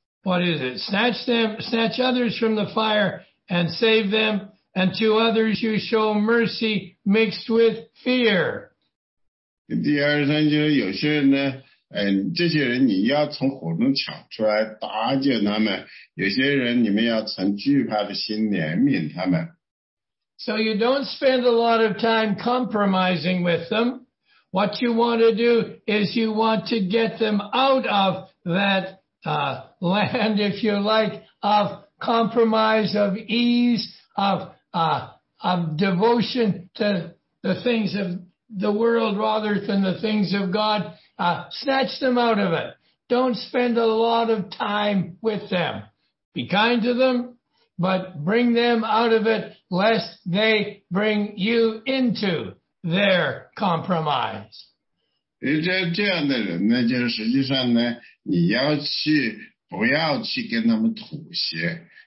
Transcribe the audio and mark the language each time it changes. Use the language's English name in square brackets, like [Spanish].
[English] Snatch others from the fire and save them, and to others you show mercy mixed with fear. [Chinese] 第二十三节，有些人呢，这些人你要从火中抢出来搭救他们，有些人你们要存惧怕的心怜悯他们。 [English] So you don't spend a lot of time compromising with them. What you want to do is you want to get them out of that land, if you like, of compromise, of ease, of devotion to the things of the world rather than the things of God, snatch them out of it. Don't spend a lot of time with them. Be kind to them, but bring them out of it, lest they bring you into their compromise. [Chinese] 这样的人呢，就是实际上呢，你要去，不要去跟他们妥协。